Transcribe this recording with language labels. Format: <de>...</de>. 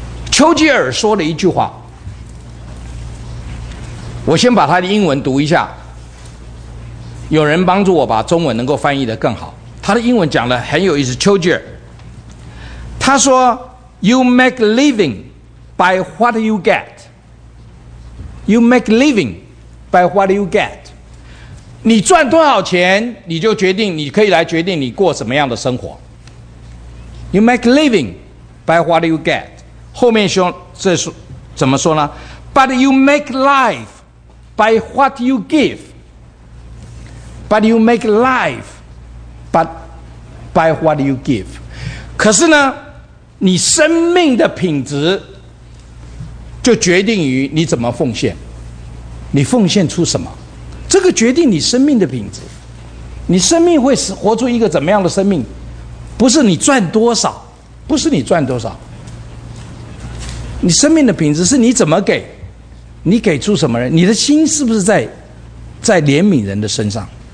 <zh>丘吉尔说了一句话，我先把他的英文读一下，有人帮助我把中文能够翻译得更好。他的英文讲得很有意思，丘吉尔他说，</zh> <en>You make living by what you get. You make living by what you get.</en> <zh>你赚多少钱，你就决定，你可以来决定你过什么样的生活。</zh> <en>You make living by what you get.</en> <zh>后面说，这是怎么说呢？</zh> <en>But you make life by what you give. But you make life by what you give.</en> <zh>可是呢，你生命的品质就决定于你怎么奉献，你奉献出什么，这个决定你生命的品质。你生命会活出一个怎么样的生命，不是你赚多少，不是你赚多少，你生命的品质是你怎么给，你给出什么人，你的心是不是在怜悯人的身上。</zh>